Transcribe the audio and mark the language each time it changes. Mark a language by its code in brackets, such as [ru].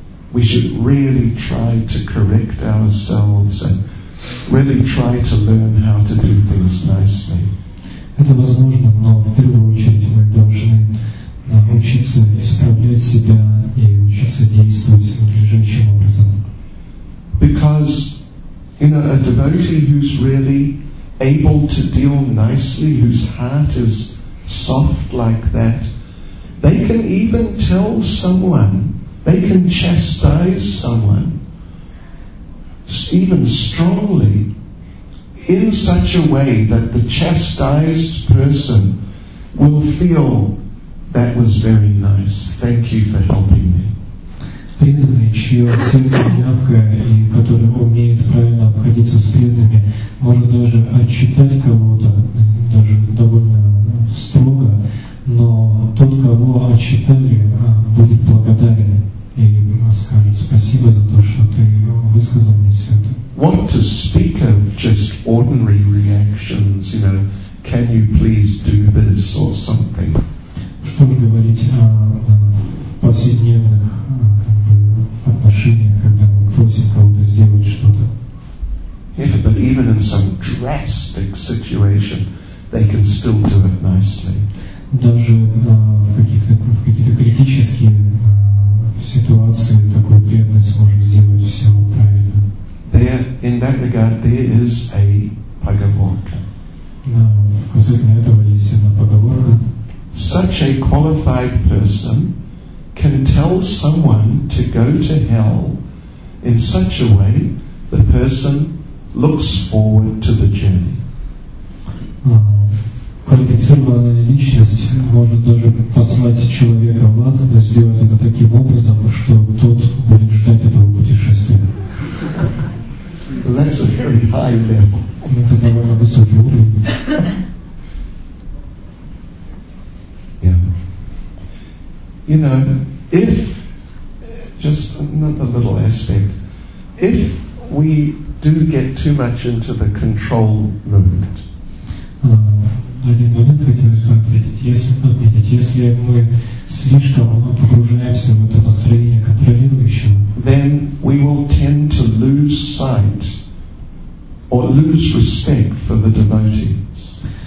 [en] we should really try to correct ourselves and really try to learn how to do things nicely. [ru] Это возможно, но в первую очередь мы должны научиться исправлять себя и учиться действовать надлежащим образом. [en] Because, you know, a devotee who's really able to deal nicely, whose heart is soft like that, they can even tell someone, they can chastise someone, even strongly, in such a way that the chastised person will feel, that was very nice, thank you for helping me. [ru] Преданные, чье сердце мягкое и которые умеют правильно обходиться с преданными, можно даже отчитать кого-то, даже довольно строго, но тот, кого отчитали, будет благодарен и скажет спасибо за то, что ты высказал мне все это. [en] What to speak of just ordinary reactions, you know, can you please do this or something? [ru] Что же говорить о повседневных отношения, когда мы просим кого-то сделать что-то. [en] Yeah, but even in some drastic situation, they can still do it nicely. [ru] Даже в каких-то критических ситуациях такой преданный сможет сделать все правильно. [en] There, in that regard, there is a поговорка. [ru] Касательно этого есть одна поговорка. [en] Such a qualified person can tell someone to go to hell in such a way the person looks forward to the journey. [ru] Квалифицированная личность может даже послать человека в ад, но сделать это таким образом, что тот будет ждать этого путешествия. [en] That's a very high level. [ru] Это довольно высокий уровень. [en] You know, if, just another little aspect, if we do get too much into the control movement, [ru] один момент хотелось бы отметить, если мы слишком погружаемся в это настроение контролирующего, [en] then we will tend to lose sight or lose respect for the devotees.